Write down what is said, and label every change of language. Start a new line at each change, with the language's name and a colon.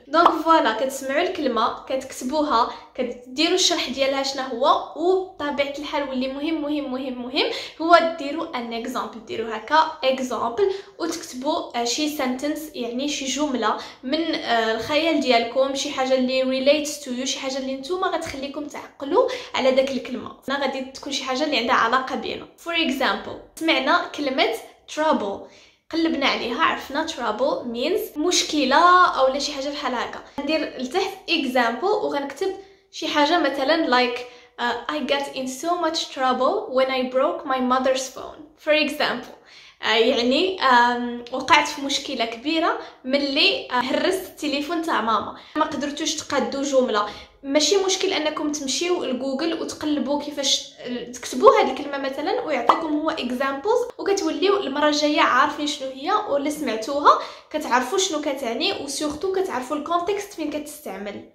Arabic: دونك فوالا، كتسمعوا الكلمه كتكتبوها كديروا الشرح ديالها شنو هو، وطبيعه الحال واللي مهم مهم مهم مهم هو ديروا ان اكزامبل، ديروا هكا اكزامبل وتكتبوا شي سنتنس، يعني شي جمله من الخيال ديالكم، شي حاجه اللي
English: relates to you,
Arabic: شي حاجه اللي نتوما غتخليكم تعقلوا على داك الكلمه. هنا غادي تكون شي حاجه اللي عندها علاقه بينا. فور اكزامبل، سمعنا كلمه ترابل، قلبنا عليها عرفنا
English: trouble means
Arabic: مشكلة أو لا شي حاجة بحال هكا. ندير لتحت
English: example وغنكتب
Arabic: شي حاجة مثلا
English: like I got in so much trouble when I broke my mother's phone for example.
Arabic: يعني وقعت في مشكلة كبيرة ملي هرست التليفون تاع ماما. ما قدرتوش تقادو جملة، ماشي مشكل انكم تمشيو لجوجل وتقلبوا كيفاش تكتبوا هذه الكلمه مثلا ويعطيكم هو اكزامبلز، وكتوليو المره الجايه عارفين شنو هي ولا سمعتوها كتعرفوا شنو كتعني، وسورتو كتعرفوا الكونتكست فين كتستعمل.